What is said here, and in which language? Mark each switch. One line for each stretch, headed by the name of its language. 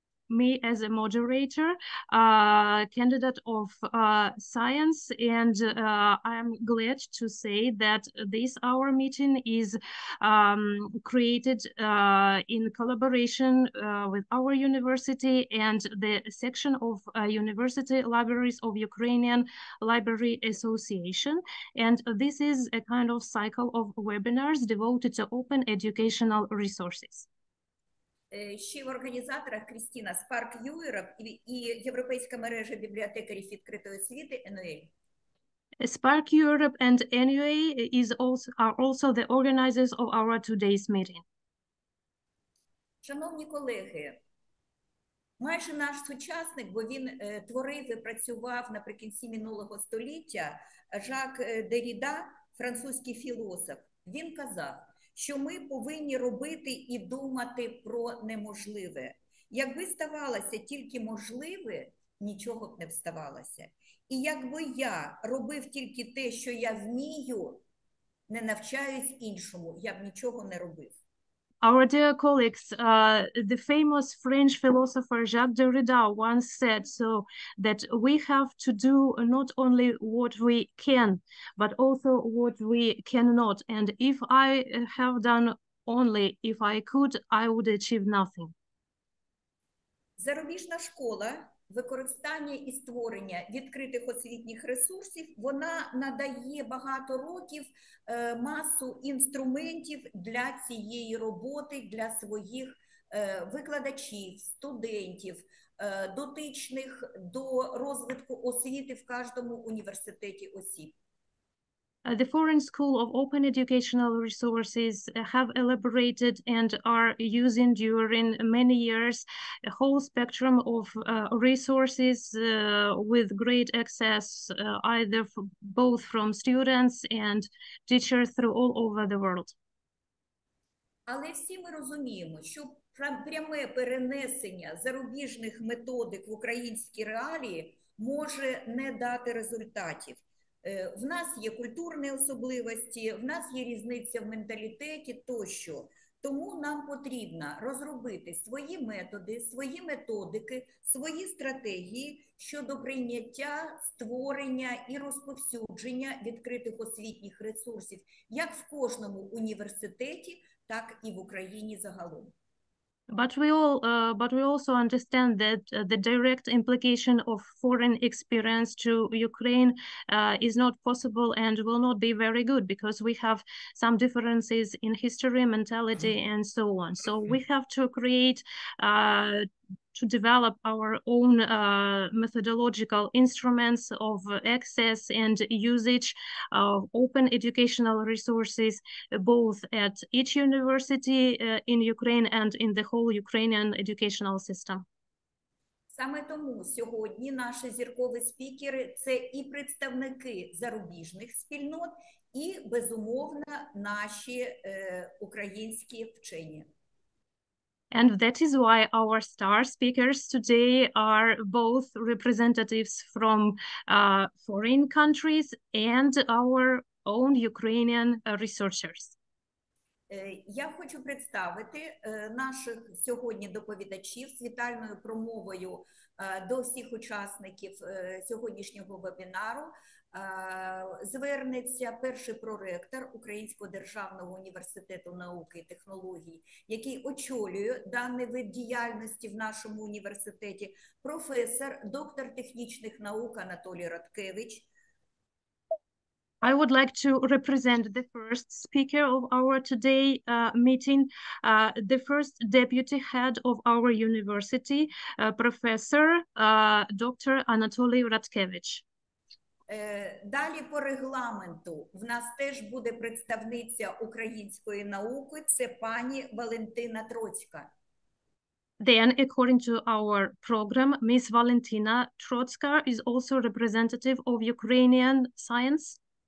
English: Me as a moderator, candidate of science, and I'm glad to say that this our meeting is created in collaboration with our university and the section of University Libraries of Ukrainian Library Association. And this is a kind of cycle of webinars devoted to open educational resources.
Ukrainian: Ще в організаторах Крістіна Spark Europe і Європейська мережа бібліотекарів відкритої освіти NOL.
English: Spark Europe and NUA is also are also the organizers of our today's meeting.
Ukrainian: Шановні колеги, майже наш сучасник, бо він творив і працював наприкінці минулого століття, Жак Деріда, французький філософ, він казав, що ми повинні робити і думати про неможливе. Якби ставалося тільки можливе, нічого б не вставалося. І якби я робив тільки те, що я вмію, не навчаюсь іншому, я б нічого не робив.
English: Our dear colleagues, the famous French philosopher Jacques Derrida once said so that we have to do not only what we can, but also what we cannot. And if I have done only if I could, I would achieve nothing.
Ukrainian: Зарубіжна школа використання і створення відкритих освітніх ресурсів, вона надає багато років масу інструментів для цієї роботи, для своїх викладачів, студентів, дотичних до розвитку освіти в кожному університеті осіб.
English: The Foreign School of Open Educational Resources have elaborated and are using during many years a whole spectrum of resources with great access, either both from students and teachers through all over the world.
Ukrainian: Але всі ми розуміємо, що пряме перенесення зарубіжних методик в українські реалії може не дати результатів. В нас є культурні особливості, в нас є різниця в менталітеті тощо. Тому нам потрібно розробити свої методи, свої методики, свої стратегії щодо прийняття, створення і розповсюдження відкритих освітніх ресурсів, як в кожному університеті, так і в Україні загалом.
English: But we also understand that the direct implication of foreign experience to Ukraine is not possible and will not be very good because we have some differences in history, mentality, and so on. So we have to create to develop our own methodological instruments of access and usage of open educational resources, both at each university in Ukraine and in the whole Ukrainian educational system.
Ukrainian: Саме тому сьогодні наші зіркові спікери – це і представники зарубіжних спільнот, і, безумовно, наші українські вчені.
English: And that is why our star speakers today are both representatives from foreign countries and our own Ukrainian researchers.
Ukrainian: Я хочу представити наших сьогодні доповідачів з вітальною промовою до всіх учасників сьогоднішнього вебінару. Звернеться перший проректор Українського державного університету науки і технологій, який очолює даний вид діяльності в нашому університеті, професор, доктор технічних наук Анатолій Радкевич.
English: I would like to represent the first speaker of our today meeting, the first deputy head of our university, Professor Dr. Anatoly Radkevich.
Ukrainian: Далі по регламенту в нас теж буде представниця української науки, це пані Валентина Троцька.
English: Then, according to our program, Ms. Valentina Trotska is also representative of Ukrainian science.